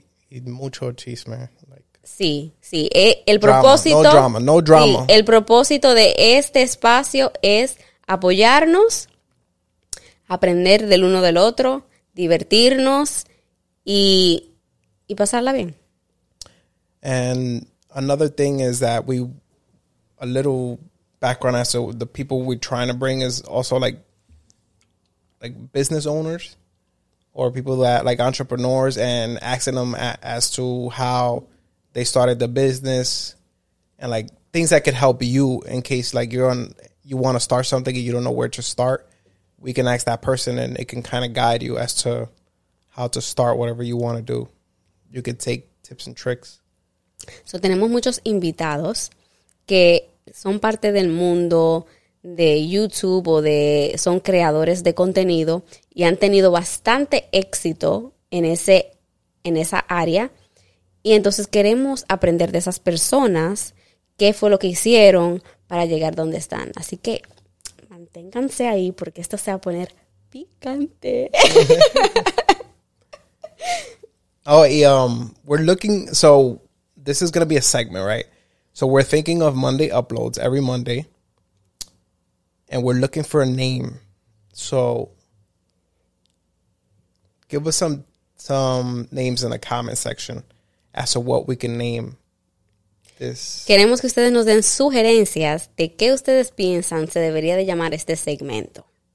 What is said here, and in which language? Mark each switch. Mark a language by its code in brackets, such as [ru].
[es] Y mucho chisme. Sí, sí. El propósito... [en] No drama. [es] Sí, el propósito de este espacio es apoyarnos, aprender del uno del otro, divertirnos y pasarla bien. [en] And another thing is that we, a little background as to the people we're trying to bring is also like business owners or people that like entrepreneurs, and asking them as to how they started the business and like things that could help you in case like you want to start something and you don't know where to start. We can ask that person and it can kind of guide you as to how to start whatever you want to do. You can take tips and tricks. [es] So, tenemos muchos invitados que son parte del mundo de YouTube o son creadores de contenido y han tenido bastante éxito en esa área. Y entonces queremos aprender de esas personas qué fue lo que hicieron para llegar donde están. Así que manténganse ahí porque esto se va a poner picante. [en] Oh, y we're looking, so... This is going to be a segment, right? So we're thinking of Monday uploads every Monday. And we're looking for a name. So give us some names in the comment section as to what we can name this. [es] Queremos que ustedes nos den sugerencias de qué ustedes piensan se debería de llamar este segmento.